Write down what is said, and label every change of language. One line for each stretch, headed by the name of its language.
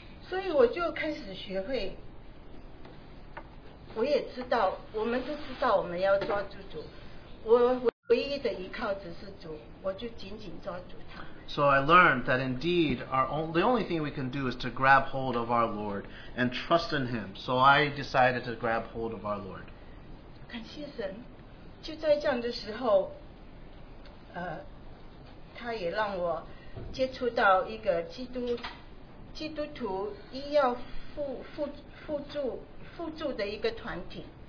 Chinese: 所以我就开始学会，我也知道，我们都知道我们要抓住主。我唯一的依靠只是主，我就紧紧抓住他。
English: So I learned that indeed, the only thing we can do is to grab hold of our Lord and trust in Him. So I decided to grab hold of our Lord.
Chinese: 感谢神，就在这样的时候。他也让我接触到一个基督徒医药辅助的一个团体。